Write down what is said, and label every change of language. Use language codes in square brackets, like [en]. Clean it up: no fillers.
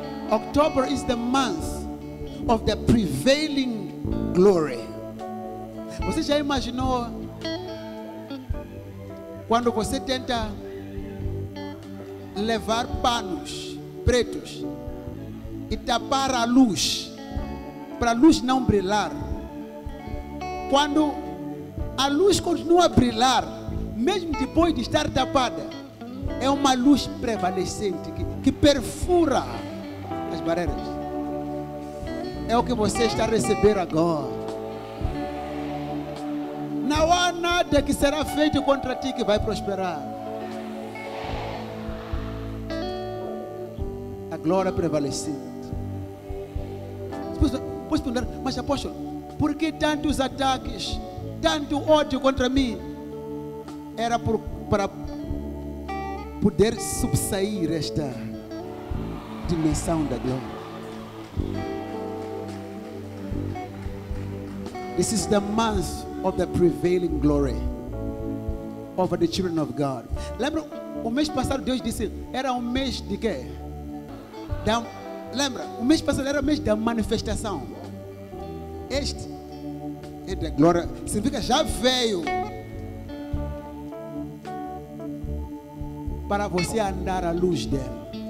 [en] October is the month of the prevailing glory. [pt] Você já imaginou? Quando você tenta levar panos pretos e tapar a luz, para a luz não brilhar. Quando a luz continua a brilhar, mesmo depois de estar tapada, é uma luz prevalecente que perfura as barreiras. É o que você está a receber agora. Não há nada que será feito contra ti que vai prosperar. A glória prevalecente. Posso perguntar, mas apóstolo, por que tantos ataques, tanto ódio contra mim? Era para poder subsair esta dimensão da glória. [en] This is the month of the prevailing glory over the children of God. [pt] Lembra, o mês passado Deus disse, era um mês de quê? Lembra, o mês passado era o mês da manifestação. Este é da glória, significa já veio para você andar à luz dela.